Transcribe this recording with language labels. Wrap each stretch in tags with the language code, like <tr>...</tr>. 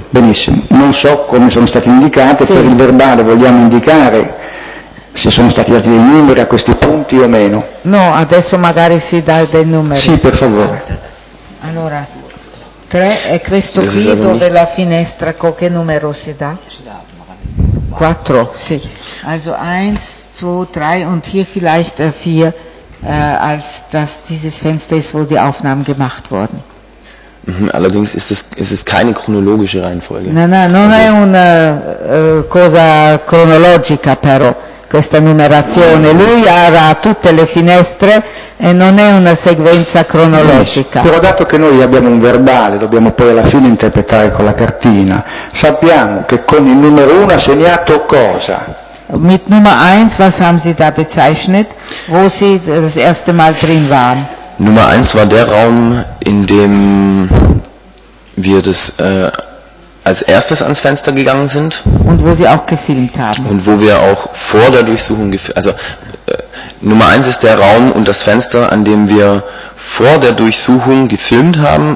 <it>Benissimo, non so come sono state indicate, sì, per il verbale vogliamo indicare se sono stati dati dei numeri a questi punti o meno. No, adesso magari si dà dei numeri. Sì, per favore. Allora, 3 è questo qui dove la finestra, con che numero si dà? 4, sì.</it> <de>Also 1, 2, 3 und hier vielleicht 4, als das dieses Fenster ist, wo die Aufnahmen gemacht wurden. Allerdings ist es keine chronologische Reihenfolge. Nein, nein,</de> <it>non è una cosa cronologica, però questa numerazione. Lui ha tutte le finestre e non è una sequenza cronologica. Però dato che noi abbiamo un verbale, dobbiamo poi alla fine interpretare con la cartina, sappiamo che con il numero 1 ha segnato cosa?</it> <de>Mit Nummer 1, was haben Sie da bezeichnet, wo Sie das erste Mal drin waren? Nummer 1 war der Raum, in dem wir das als erstes ans Fenster gegangen sind. Und wo Sie auch gefilmt haben. Und wo wir auch vor der Durchsuchung gefilmt, also Nummer 1 ist der Raum und das Fenster, an dem wir vor der Durchsuchung gefilmt haben.</de>